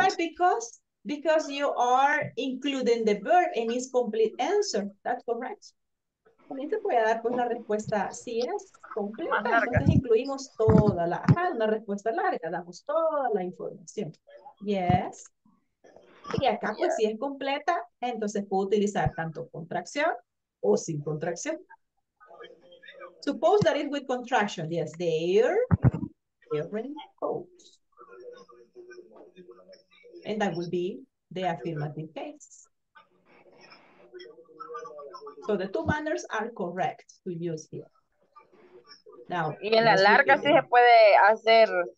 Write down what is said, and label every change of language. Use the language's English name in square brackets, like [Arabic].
[English] Correct, because you are including the verb and it's complete answer. That's correct. [Spanish] También te puede dar pues la respuesta, si es completa, entonces incluimos toda la, ajá, una respuesta larga, damos toda la información. [English] Yes. [Spanish] Y acá pues si es completa, entonces puedo utilizar tanto contracción o sin contracción. [English] Suppose that is with contraction. Yes, they're wearing coats. And that will be the affirmative case. So the two manners are correct to use here. Now, [Spanish] y en la larga sí se puede hacer.